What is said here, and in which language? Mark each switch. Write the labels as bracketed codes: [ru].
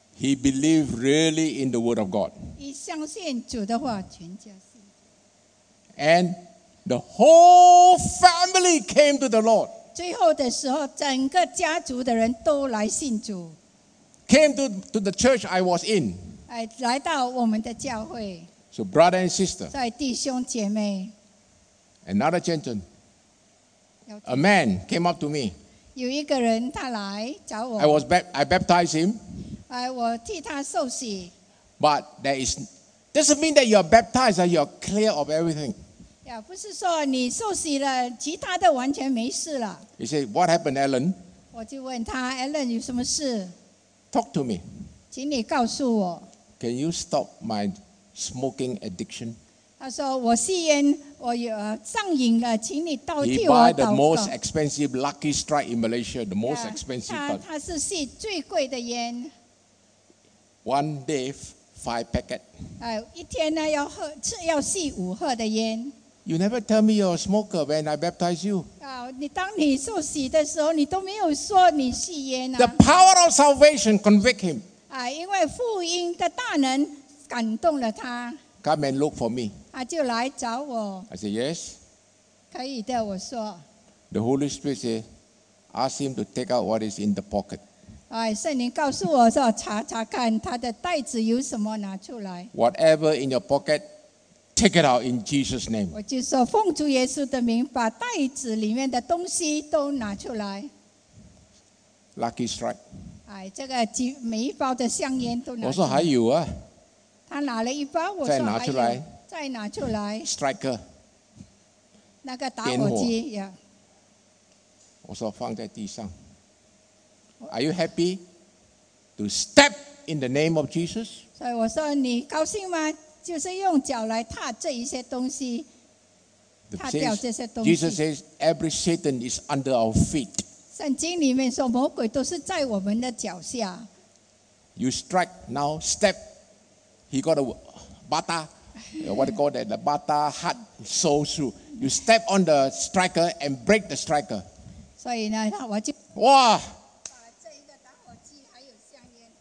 [en] he believed really in the word of God. [zh] 以相信主的话, 全家信。 [en] And the whole family came to the Lord. [zh] 最后的时候，整个家族的人都来信主。 [en] Came to the church I was in. [zh] 来到我们的教会。 [en] So brother and sister. [zh] 在弟兄姐妹。 [en] Another gentleman. A man came up to me. [zh] 有一个人他来找我。 [en] I baptized him. [zh] 我替他受洗。 [en] But that is doesn't mean that you are baptized and you are clear of everything. [zh] 不是说你受洗了，其他的完全没事了。 [en] He said, "What happened, Alan?" [zh] 我就问他 ，Alan 有什么事 [en] ？Talk to me. [zh] 请你告诉我。 [en] Can you stop my smoking addiction? [zh] 他说我吸烟，我有上瘾了，请你代替我祷告。 [en] He bought the most expensive Lucky Strike in Malaysia, the most expensive. [zh] 他是吸最贵的烟。 [en] One day, five packet. [zh] 一天呢要喝吃要吸五盒的烟。 [en] You never tell me you're a smoker when I baptize you. [zh] 你当你受洗的时候，你都没有说你吸烟啊。 [en] The power of salvation convict him. [zh] 因为福音的大能感动了他。 [en] Come and look for me. [zh] 就来找我。 [en] I say yes. [zh] 可以的，我说。 [en] The Holy Spirit say, ask him to take out what is in the pocket. [zh] 圣灵告诉我说，查查看他的袋子有什么拿出来。 [en] Whatever in your pocket. Take it out in Jesus' name. [zh] 我就说奉主耶稣的名，把袋子里面的东西都拿出来。 [en] Lucky strike. [zh] 这个每一包的香烟都拿出来。我说还有啊。他拿了一包，我说再拿出来。再拿出来。 [en] Striker. [zh] 那个打火机呀。我说放在地上。 [en] Are you happy to step in the name of Jesus? [zh] 所以我说你高兴吗？就是用脚来踏这一些东西，踏掉这些东西。 [en] Jesus says, "Every Satan is under our feet." [zh] 圣经里面说，魔鬼都是在我们的脚下。 [en] You strike now, step. He got a bata, what they call that, the bata heart soul shoe. You step on the striker and break the striker. [zh] 所以呢，我就哇，把这一个打火机还有香烟。